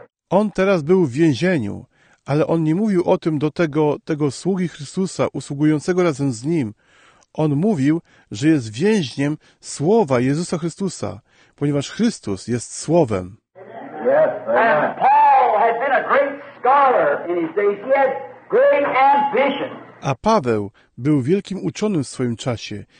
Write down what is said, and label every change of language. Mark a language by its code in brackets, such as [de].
[pl] On teraz był w więzieniu, ale on nie mówił o tym do tego sługi Chrystusa, usługującego razem z nim. On mówił, że jest więźniem słowa Jezusa Chrystusa, ponieważ Chrystus jest Słowem. [en] Yes, and Paul had been a great scholar in his days. He had great ambition. [pl] A Paweł był wielkim uczonym w swoim czasie.